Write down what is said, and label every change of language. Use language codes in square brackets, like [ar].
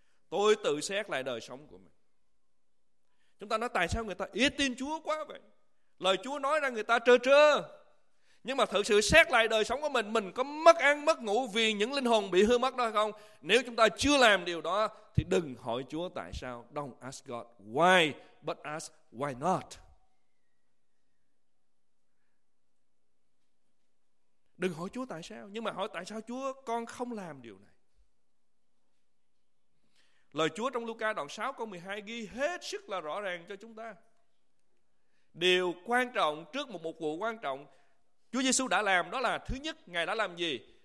[vi] Tôi tự xét lại đời sống của mình. Chúng ta nói tại sao người ta ít tin Chúa quá vậy? Lời Chúa nói ra người ta trơ trơ. Nhưng mà thực sự xét lại đời sống của mình có mất ăn, mất ngủ vì những linh hồn bị hư mất đó hay không? Nếu chúng ta chưa làm điều đó, thì đừng hỏi Chúa tại sao. [en] Don't ask God why, but ask why not. [vi] Đừng hỏi Chúa tại sao, nhưng mà hỏi tại sao Chúa con không làm điều này. Lời Chúa trong Luca đoạn 6 câu 12 ghi hết sức là rõ ràng cho chúng ta. Điều quan trọng trước một vụ quan trọng Chúa Giêsu đã làm đó là thứ nhất, Ngài đã làm gì?